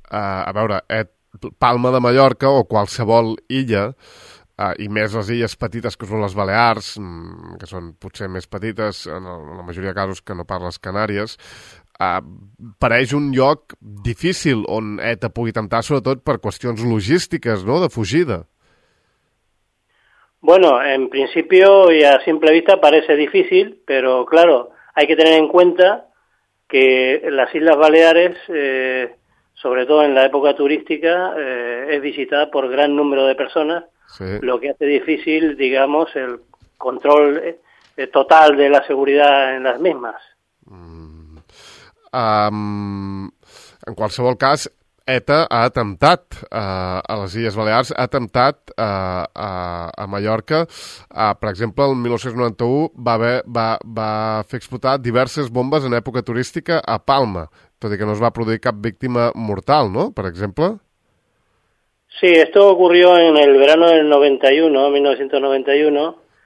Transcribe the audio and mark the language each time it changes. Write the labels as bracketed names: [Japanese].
[Catalan] A veure, Palma de Mallorca o qualsevol illa, i més les illes petites que són les Balears, que són potser més petites en la majoria de casos que no parles Canàries, pareix un lloc difícil on ETA pugui temptar, sobretot per qüestions logístiques, no?, de fugida. [Spanish] Bueno, en principio y a simple vista parece difícil, pero claro, hay que tener en cuenta que las Islas Baleares, sobre todo en la época turística, es visitada por gran número de personas, sí. Lo que hace difícil, digamos, el control total de la seguridad en las mismas. [Catalan] En qualsevol cas, ETA ha atemptat a les Illes Balears, ha atemptat a Mallorca. Per exemple, el 1991 va fer explotar diverses bombes en època turística a Palma, tot i que no es va produir cap víctima mortal, no?, per exemple. [Spanish] Sí, esto ocurrió en el verano del 1991.